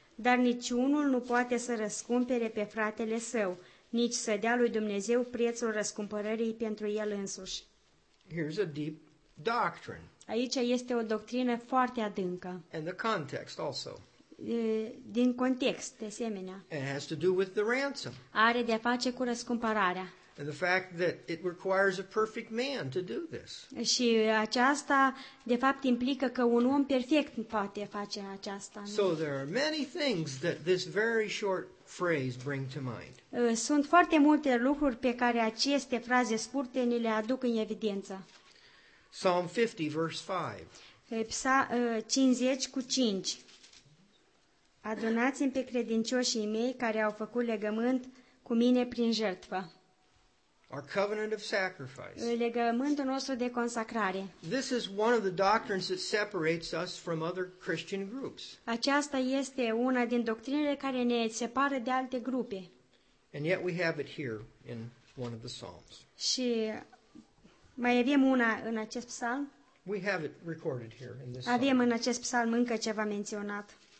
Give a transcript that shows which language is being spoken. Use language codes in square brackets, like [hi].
[ro] Dar niciunul nu poate să răscumpere pe fratele său, nici să dea lui Dumnezeu prețul răscumpărării pentru el însuși. [en] Here's a deep doctrine. [ro] Aici este o doctrină foarte adâncă. [en] And the context also. [ro] Din context, de asemenea. [en] It has to do with the ransom. [ro] Are de-a face cu răscumpărarea. [en] And the fact that it requires a perfect man to do this. [ro] Și aceasta de fapt implică că un om perfect poate face aceasta. [en] So there are many things that this very short phrase bring to mind. [ro] Sunt foarte multe lucruri pe care aceste fraze scurte ni le aduc în evidență. [en] Psalm 50 verse 5. [ro] Psa 50 cu 5. Adunați-mi pe credincioșii mei care au făcut legământ cu mine prin jertfă. [en] Our covenant of sacrifice. [ro] Legământul nostru de consacrare. [en] This is one of the doctrines that separates us from other Christian groups. [ro] Aceasta este una din doctrinele care ne separă de alte grupe. [en] And yet we have it here in one of the Psalms. [ro] Și mai avem una în acest psalm? [en] We have it recorded here in this. [ro] Avem în acest psalm încă ceva menționat.